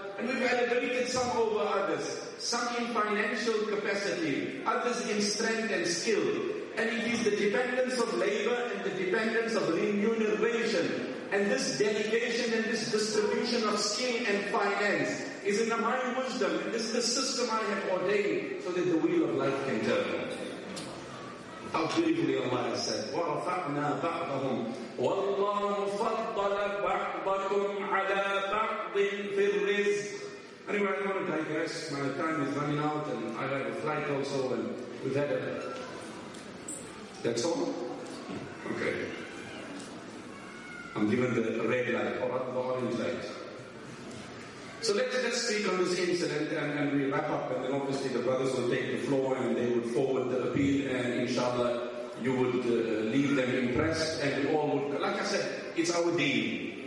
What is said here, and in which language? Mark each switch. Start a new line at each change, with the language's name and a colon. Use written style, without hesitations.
English: And we've elevated some over others, some in financial capacity, others in strength and skill. And it is the dependence of labor and the dependence of remuneration. And this dedication and this distribution of skin and finance is in the mind wisdom. And this is the system I have ordained so that the wheel of life can turn. How beautifully Allah has said,
Arabic: وَرَفَعْنَا بَعْضَهُمْ وَاللَّهُ فَضَّلَ بَعْضَكُمْ عَلَى بَعْضٍ فِي الرِّزْقِ.
English: Anyway, I don't want to digress. My time is running out and I have a flight also. And we've had a... That's all? Okay. I'm given the red light, or the orange light. So let's speak on this incident and we wrap up, and then obviously the brothers will take the floor and they would forward the appeal, and inshallah you would leave them impressed, and we all would, like I said, it's our deen.